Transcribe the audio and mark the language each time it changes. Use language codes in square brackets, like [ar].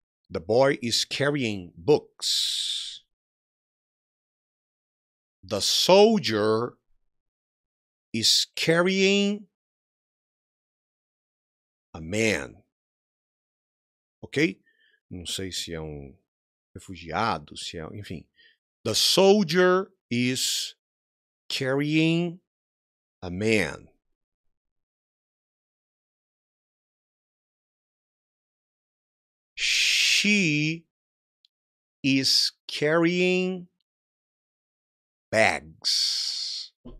[en] The boy is carrying books. The soldier is carrying a man. Okay? [pt] Não sei se é um refugiado, se é... Enfim. [en] The soldier is carrying a man. She is carrying bags.